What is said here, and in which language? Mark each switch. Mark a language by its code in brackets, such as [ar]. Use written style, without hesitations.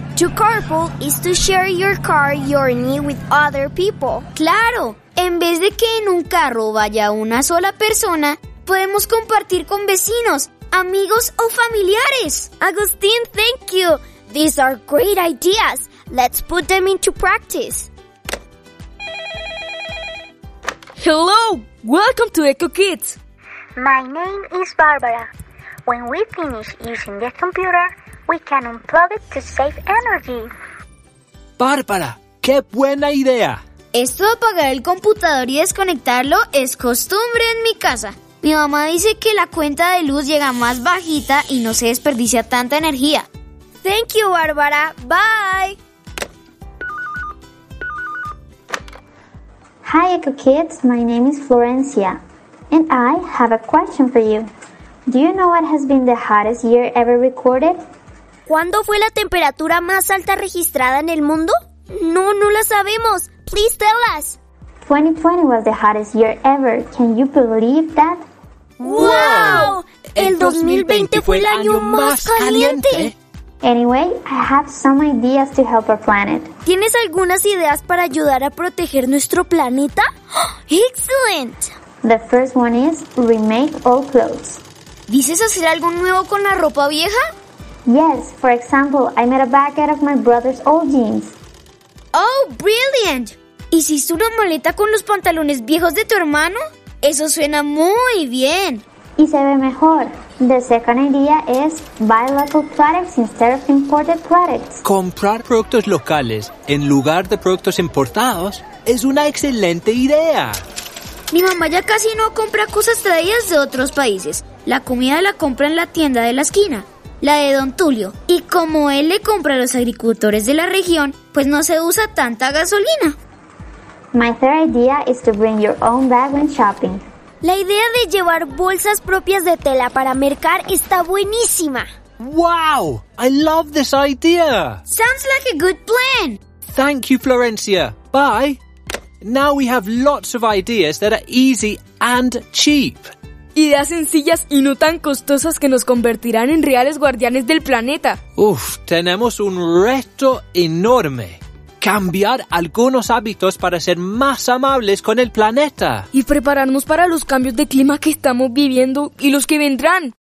[en] To carpool is to share your car journey with other people. [es] ¡Claro! En vez de que en un carro vaya una sola persona, podemos compartir con vecinos, amigos o familiares. [en] Agustín, thank you. These are great ideas. Let's put them into practice. Hello! Welcome to Echo Kids. My name is Barbara. When we finish using the computer, we can unplug it to save energy. [es] ¡Bárbara! ¡Qué buena idea! Esto de apagar el computador y desconectarlo es costumbre en mi casa. Mi mamá dice que la cuenta de luz llega más bajita y no se desperdicia tanta energía. [en] Thank you, Bárbara. Bye. Hi, Echo Kids. My name is Florencia. And I have a question for you. Do you know what has been the hottest year ever recorded? [es] ¿Cuándo fue la temperatura más alta registrada en el mundo? No la sabemos. [en] Please tell us. 2020 was the hottest year ever. Can you believe that? [es] ¡Wow! ¡El 2020 fue el año más caliente! [en] Anyway, I have some ideas to help our planet. [es] ¿Tienes algunas ideas para ayudar a proteger nuestro planeta? [en] ¡Excellent! The first one is remake all clothes. [es] ¿Dices hacer algo nuevo con la ropa vieja? [en] Yes, for example, I made a bag out of my brother's old jeans. Oh, brilliant! [es] ¿Hiciste una maleta con los pantalones viejos de tu hermano? Eso suena muy bien. Y se ve mejor. [en] The second idea is buy local products instead of imported products. [es] Comprar productos locales en lugar de productos importados es una excelente idea. Mi mamá ya casi no compra cosas traídas de otros países. La comida la compra en la tienda de la esquina, la de Don Tulio. Y como él le compra a los agricultores de la región, pues no se usa tanta gasolina. [en] My third idea is to bring your own bag when shopping. [es] La idea de llevar bolsas propias de tela para mercar está buenísima. [en] ¡Wow! I love this idea. Sounds like a good plan. Thank you, Florencia. Bye. Now we have lots of ideas that are easy and cheap. [es] Ideas sencillas y no tan costosas que nos convertirán en reales guardianes del planeta. Uf, tenemos un reto enorme. Cambiar algunos hábitos para ser más amables con el planeta. Y prepararnos para los cambios de clima que estamos viviendo y los que vendrán.